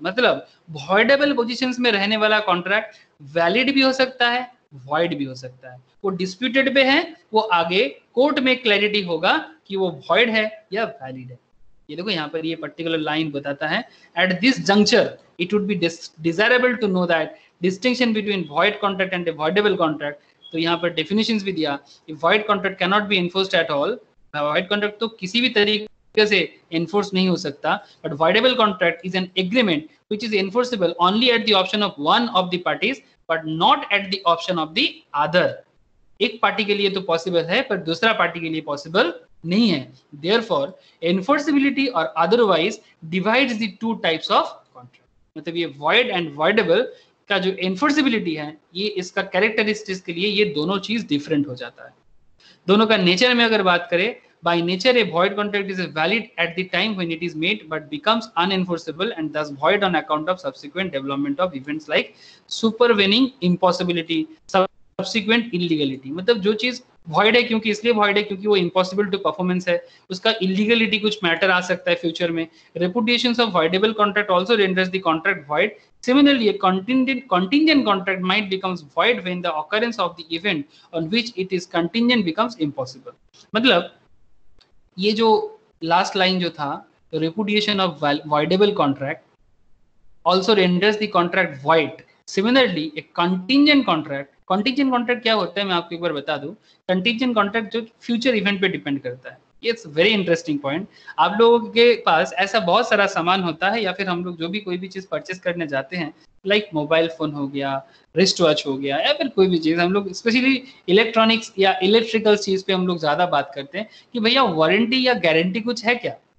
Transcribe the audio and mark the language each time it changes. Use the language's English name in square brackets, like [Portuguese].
[Hindi] मतलब voidable positions में रहने वाला कॉन्ट्रैक्ट वैलिड भी हो सकता है, वॉइड भी हो सकता है। वो डिस्प्यूटेड पे है, वो आगे कोर्ट में क्लैरिटी होगा कि वो वॉइड है या वैलिड है। ये देखो यहाँ पर ये पर्टिकुलर लाइन बताता है, [English] At this juncture it would be desirable to know that distinction between void contract and a voidable contract. [Hindi] तो यहाँ पर definitions भी दिया कि [English] void contract cannot be enforced at all. Void contract [Hindi] तो किसी भी तरीके से enforce नहीं हो सकता, [English] but voidable contract is an agreement which is enforceable only at the option of one of the parties, but not at the option of the other. [Hindi] एक party के लिए तो possible है पर दूसरा पार्टी के लिए possible नहीं है. [English] Therefore, enforceability or otherwise divides the two types of contract. [Hindi] मतलब ये void and voidable का जो enforceability है ये इसका characteristics के लिए ये दोनों चीज different हो जाता है। दोनों का nature में अगर बात करें, [English] by nature a void contract is valid at the time when it is made but becomes unenforceable and thus void on account of subsequent development of events like supervening impossibility, subsequent illegality. [Hindi] मतलब जो चीज void है क्योंकि इसलिए void है क्योंकि वो [English] impossible to performance [Hindi] है, उसका illegality कुछ matter आ सकता है future में. [English] Repudiations of voidable contract also renders the contract void. Similarly, a contingent contract might becomes void when the occurrence of the event on which it is contingent becomes impossible. [Hindi] मतलब ये जो last line जो था, [English] the repudiation of voidable contract also renders the contract void. Similarly, a contingent contract [Hindi] क्या होता है मैं आपको एक बार बता दूं. Contingent contract जो future event पे depend करता है, [English] It's very interesting point. [Hindi] आप लोगों के पास ऐसा बहुत सारा सामान होता है या फिर हम लोग जो भी कोई भी चीज परचेस करने जाते हैं लाइक मोबाइल फोन हो गया, रिस्ट वॉच हो गया या फिर कोई भी चीज, हम लोग स्पेशली इलेक्ट्रॉनिक्स या इलेक्ट्रिकल चीज पे हम लोग ज्यादा बात करते हैं कि भैया वारंटी या गारंटी कुछ है क्या.